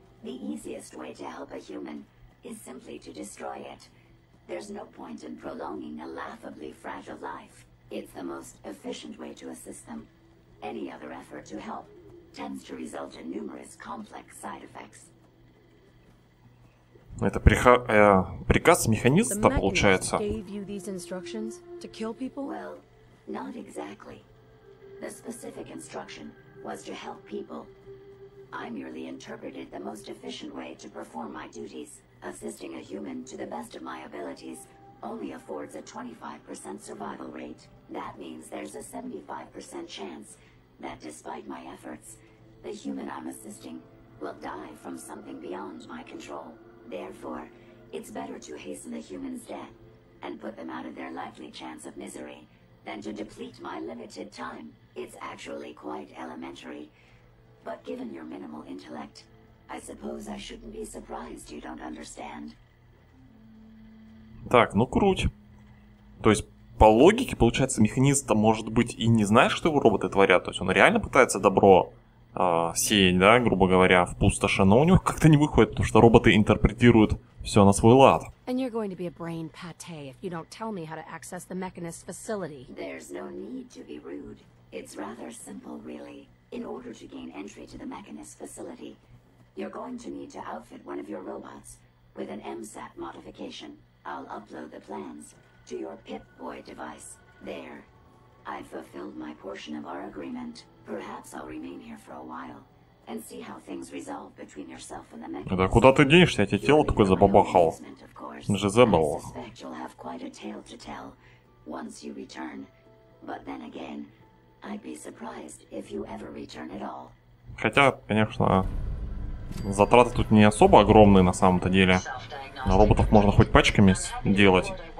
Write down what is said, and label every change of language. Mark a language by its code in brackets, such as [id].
[en] The easiest way to help a human is simply to destroy it. There's no point in prolonging a laughably fragile life. It's the most efficient way to assist them. Any other effort to help tends to result in numerous complex side effects. [ru] Это приказ механиста, получается. [en] Gave you these instructions to kill people? Well, not exactly. The specific instruction was to help people. I merely interpreted the most efficient way to perform my duties. Assisting a human to the best of my abilities only affords a 25% survival rate. That means there's a 75% chance that despite my efforts, the human I'm assisting will die from something beyond my control. Therefore, it's better to hasten the human's death and put them out of their likely chance of misery than to deplete my limited time. It's actually quite elementary. But given your minimal intellect, I suppose I shouldn't be surprised you don't understand. [ru] Так, ну круть. То есть, по логике, получается, механист-то, может быть, и не знает, что его роботы творят. То есть, он реально пытается добро сеять, да, грубо говоря, в пустоши, но у него как-то не выходит, потому что роботы интерпретируют все на свой лад. [en] And you're going to be a brain pate if you don't tell me how to access the mechanist's facility. There's no need to be rude. It's rather simple, really. In order to gain entry to the mechanist's facility, you're going to need to outfit one of your robots with an MSAT modification. I'll upload the plans to your Pip-Boy device. There. I've fulfilled my portion of our agreement. Perhaps I'll remain here for a while and see how things resolve between yourself and the mechanist. [ru] Да куда ты денешься? Я тебе тело такое забабахал. Же забыл. [en] I suspect you'll have quite a tale to tell once you return. But then again, I'd be surprised if you ever return at all. [ru] Хотя, конечно, затраты тут не особо огромные на самом-то деле. Но роботов можно хоть пачками делать.